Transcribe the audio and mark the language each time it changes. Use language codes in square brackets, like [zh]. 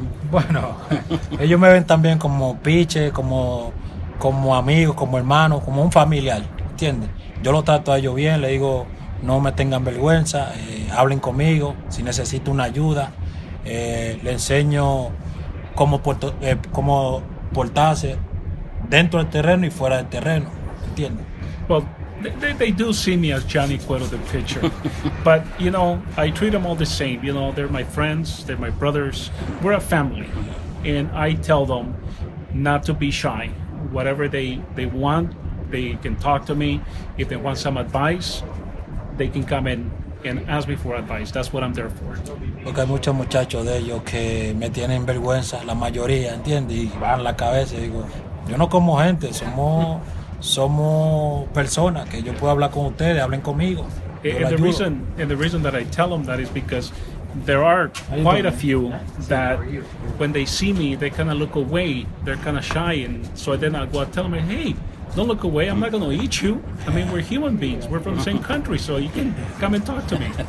[es] Bueno, ellos me ven también como pitcher, como amigo, como hermano, como un familiar. ¿Entiendes? Yo lo trato a ellos bien, le digo, no me tengan vergüenza, hablen conmigo, si necesito una ayuda, le enseño cómo portarse dentro del terreno y fuera del terreno, ¿entiendes? [en] Well, they do see me as Johnny Cueto, the pitcher, but, you know, I treat them all the same, you know, they're my friends, they're my brothers, we're a family, and I tell them not to be shy, whatever they want, they can talk to me. If they want some advice, they can come in and ask me for advice. That's what I'm there for. [es] Porque hay muchos muchachos de ellos que me tienen vergüenza, la mayoría, ¿entiendes? Y van la cabeza y digo, yo no como gente, somos personas que yo puedo hablar con ustedes, hablen conmigo. [en] And the reason that I tell them that is because there are quite a few that when they see me, they kind of look away, they're kind of shy, and so then I go out and tell them, hey, don't look away, I'm not going to eat you. I mean, we're human beings, we're from the same country, so you can come and talk to me.